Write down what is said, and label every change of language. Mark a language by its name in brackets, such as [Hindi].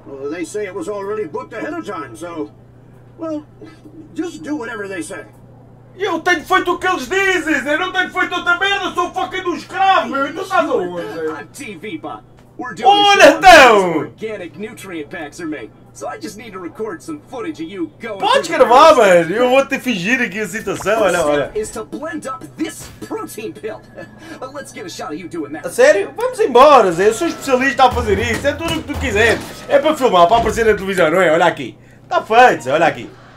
[English] They say it was already booked ahead of time, so. Well, just do whatever they say. [Portuguese] Eu tenho feito o que eles dizem, Zé! Eu não tenho feito outra merda! Eu sou o fucking do escravo, meu! Tu estás a ouvir, Zé? Olha então! [English] Organic nutrient packs are made, so I just need to record some footage of you going. [Portuguese] Podes gravar, mano! Eu vou te fingir aqui a situação, olha, olha! [English] Is to blend up this protein pill. Let's get a shot of you doing that. [Portuguese] A sério? Vamos embora, Zé! Eu sou especialista a fazer isso! É tudo o que tu quiseres! É para filmar, para aparecer na televisão, não é? Olha aqui! Está feito, Zé! Olha aqui!